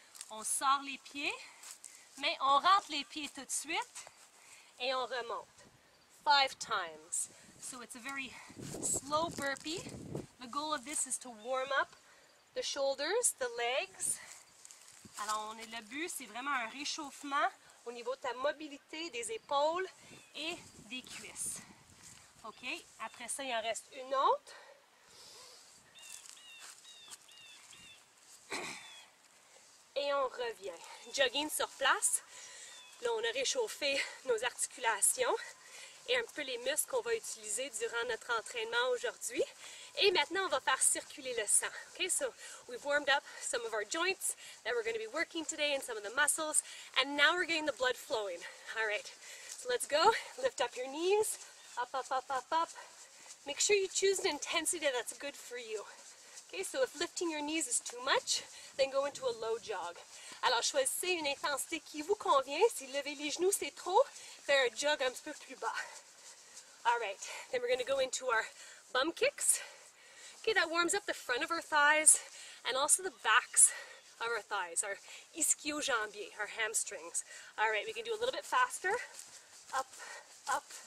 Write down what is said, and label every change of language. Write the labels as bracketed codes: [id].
[fr] On sort les pieds, mais on rentre les pieds tout de suite et on remonte. [en] 5 times. So it's a very slow burpee. The goal of this is to warm up the shoulders, the legs. [fr] Alors, on est le but, c'est vraiment un réchauffement au niveau de ta mobilité des épaules et des cuisses. OK, après ça, il en reste une autre. Et on revient. Jogging sur place. Là, on a réchauffé nos articulations et un peu les muscles qu'on va utiliser durant notre entraînement aujourd'hui. Et maintenant, on va faire circuler le sang. [en] Okay, so we've warmed up some of our joints that we're going to be working today and some of the muscles. And now we're getting the blood flowing. All right, so let's go. Lift up your knees. Up, up, up, up, up. Make sure you choose an intensity that's good for you. Okay, so if lifting your knees is too much, then go into a low jog. [fr] Alors, choisissez une intensité qui vous convient. Si lever les genoux, c'est trop, faire un jog un petit peu plus bas. [en] All right, then we're going to go into our bum kicks. Okay, that warms up the front of our thighs and also the backs of our thighs, our ischio-jambiers, our hamstrings. All right, we can do a little bit faster. Up, up.